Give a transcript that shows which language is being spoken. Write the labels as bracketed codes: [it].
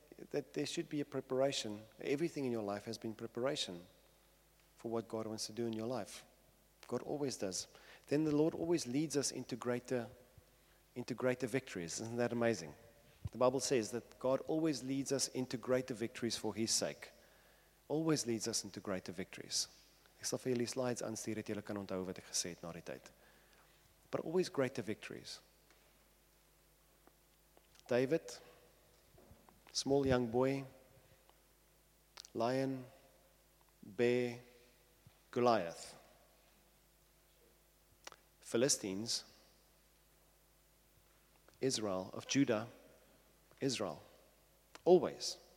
[en] That there should be a preparation. Everything in your life has been preparation for what God wants to do in your life. God always does. Then the Lord always leads us into greater victories. Isn't that amazing? The Bible says that God always leads us into greater victories for His sake. Always leads us into greater victories. [af] Ek sal vir julle slides aanstuur dat julle kan onthou wat ek gesê het na die tyd. [en] But always greater victories. David, small young boy, lion, bear, Goliath. Philistines, Israel, of Judah, Israel. Always.